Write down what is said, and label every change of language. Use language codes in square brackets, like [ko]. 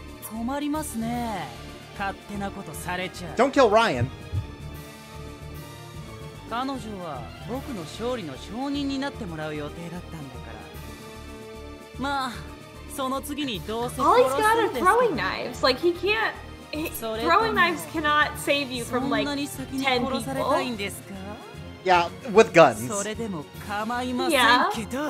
[ja] 困りますね。勝手なことされちゃう。 [en] Don't kill Ryan. [ja] 彼女は僕の勝利の証人になってもらう予定だったんだから。まあ、その次にどうせ殺すんですか。 [en] All he's got are throwing knives. Like he can't. He, throwing knives cannot save you from like 10 people. [ja] そんなに先に殺されたいんですか。 [en] Yeah, with guns. [ja] それでも構いませんけど。